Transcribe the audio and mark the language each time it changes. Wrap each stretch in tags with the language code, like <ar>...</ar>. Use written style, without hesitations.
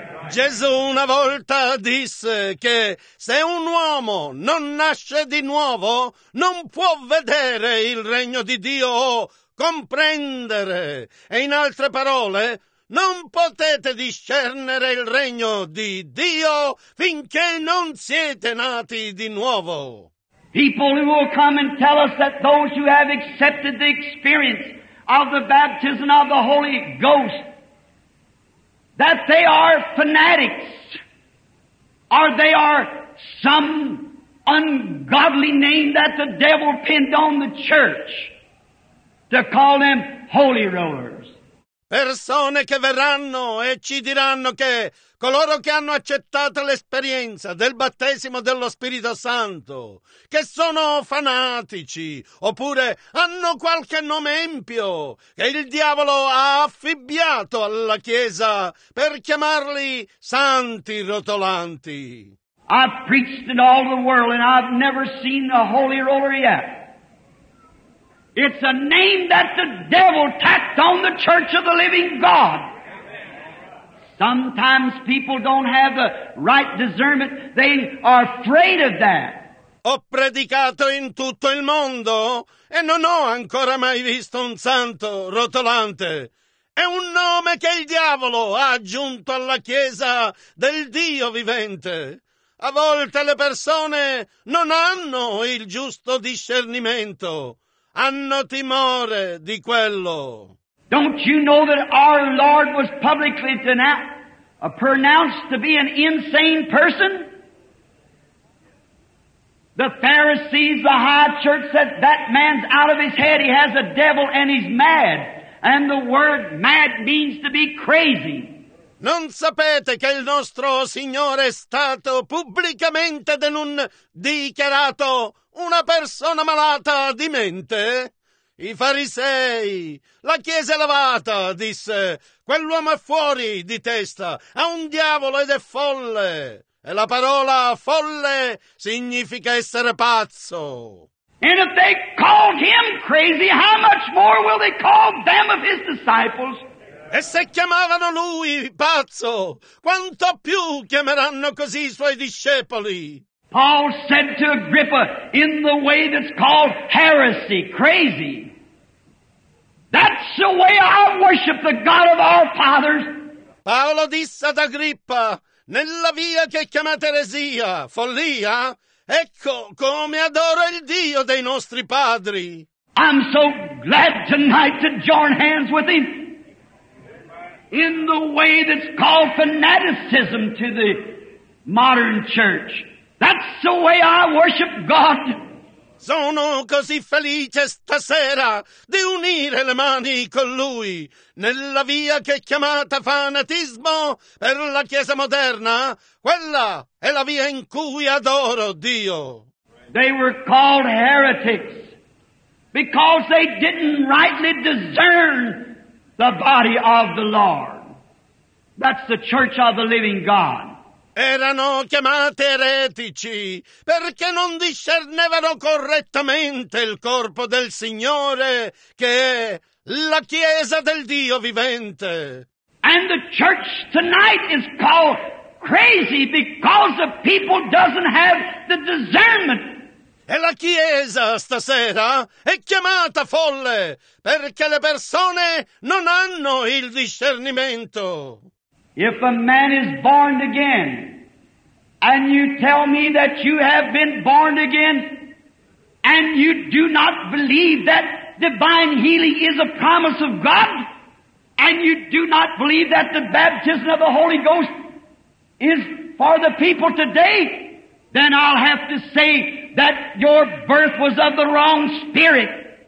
<it>Gesù una volta disse che se un uomo non nasce di nuovo, non può vedere il regno di Dio o comprendere. E in altre parole, non potete discernere il regno di Dio finché non siete nati di nuovo.</it> <en>People who will come and tell us that those who have accepted the experience of the baptism of the Holy Ghost, that they are fanatics, or they are some ungodly name that the devil pinned on the church to call them holy rollers.</en> <it>Persone che verranno e ci diranno che coloro che hanno accettato l'esperienza del battesimo dello Spirito Santo, che sono fanatici, oppure hanno qualche nome empio che il diavolo ha affibbiato alla Chiesa per chiamarli santi rotolanti.</it> <en>I've preached in all the world and I've never seen a holy roller yet. It's a name that the devil tacked on the Church of the Living God. Sometimes people don't have the right discernment. They are afraid of that.</en> <it>Ho predicato in tutto il mondo e non ho ancora mai visto un santo rotolante. È un nome che il diavolo ha aggiunto alla Chiesa del Dio vivente. A volte le persone non hanno il giusto discernimento. Hanno timore di quello.</it> <en>Don't you know that our Lord was publicly pronounced to be an insane person? The Pharisees, the high church said, that man's out of his head, he has a devil and he's mad. And the word mad means to be crazy.</en> <it>Non sapete che il nostro Signore è stato pubblicamente dichiarato una persona malata di mente? I farisei, la chiesa elevata, disse, quell'uomo è fuori di testa, ha un diavolo ed è folle. E la parola folle significa essere pazzo.</it> <en>And if they called him crazy, how much more will they call them of his disciples?</en> <it>E se chiamavano lui pazzo, quanto più chiameranno così i suoi discepoli?</it> <en>Paul said to Agrippa, in the way that's called heresy, crazy. That's the way I worship the God of our fathers.</en> <it>Paolo disse ad Agrippa, nella via che chiamate eresia, follia, ecco come adoro il Dio dei nostri padri.</it> <en>I'm so glad tonight to join hands with him in the way that's called fanaticism to the modern church. That's the way I worship God.</en> <it>Sono così felice stasera di unire le mani con lui nella via che è chiamata fanatismo per la Chiesa moderna. Quella è la via in cui adoro Dio.</it> <en>They were called heretics because they didn't rightly discern the body of the Lord. That's the Church of the Living God.</en> <it>Erano chiamate eretici perché non discernevano correttamente il corpo del Signore, che è la Chiesa del Dio vivente.</it> <en>And the church tonight is called crazy because the people doesn't have the discernment.</en> <it>E la Chiesa stasera è chiamata folle perché le persone non hanno il discernimento.</it> <en>If a man is born again, and you tell me that you have been born again, and you do not believe that divine healing is a promise of God, and you do not believe that the baptism of the Holy Ghost is for the people today, then I'll have to say that your birth was of the wrong spirit.</en>